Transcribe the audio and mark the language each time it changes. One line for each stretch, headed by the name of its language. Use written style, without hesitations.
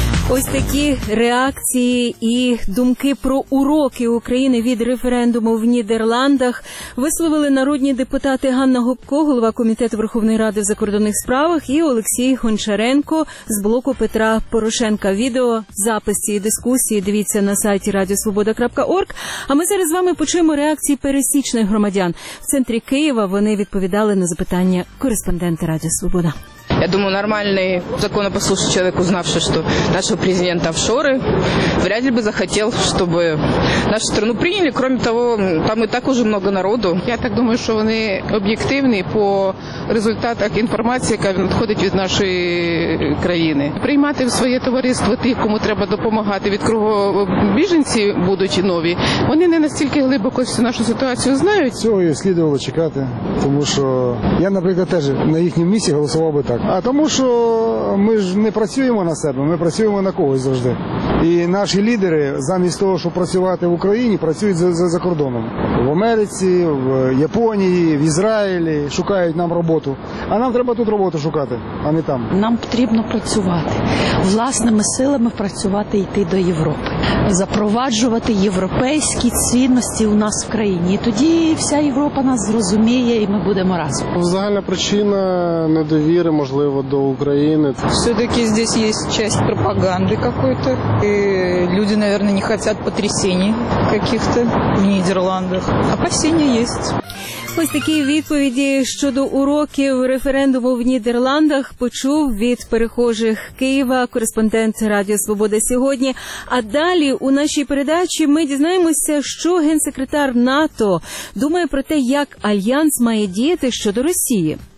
Ukrainian: Ось такі реакції і думки про уроки України від референдуму в Нідерландах висловили народні депутати Ганна Гопко, голова Комітету Верховної Ради в закордонних справах, і Олексій Гончаренко з блоку Петра Порошенка. Відео, запис цієї дискусії дивіться на сайті radiosvoboda.org. А ми зараз з вами почуємо реакції пересічних громадян. В центрі Києва вони відповідали на запитання кореспондента Радіо Свобода.
Russian: Я думаю, нормальный законопослушный человек, узнавший, что нашего президента офшоры, вряд ли бы захотел, чтобы нашу страну приняли. Кроме того, там и так уже много народу. Я так думаю, что они объективны по результатам информации, которая надходит от нашей страны.
Ukrainian: Приймати в своє товариство тих, кому треба допомагати, від кругу біженці будуть нові, вони не настільки глибоко всю нашу ситуацію знають. Цього і слідувало чекати, тому що я, наприклад, теж на їхньому місці голосував би так. А тому що ми ж не працюємо на себе, ми працюємо на когось завжди. І наші лідери, замість того, щоб працювати в Україні, працюють за кордоном. В Америці, в Японії, в Ізраїлі шукають нам роботу. А нам треба тут роботу шукати, а не там. Нам потрібно працювати. Власними силами працювати, йти до Європи. Запроваджувати європейські цінності у нас в країні. І тоді вся Європа нас зрозуміє, і ми будемо разом. Загальна причина недовіри, можливо, до України. Все-таки тут є частина пропаганди якоїсь.
Russian: И люди, наверное, не хотят потрясений каких-то в Нидерландах. Опасения есть.
Ukrainian: Ось такі відповіді щодо уроків референдуму в Нідерландах почув від перехожих Києва кореспондент Радіо Свобода сьогодні. А далі у нашій передачі ми дізнаємося, що генсекретар НАТО думає про те, як Альянс має діяти щодо Росії.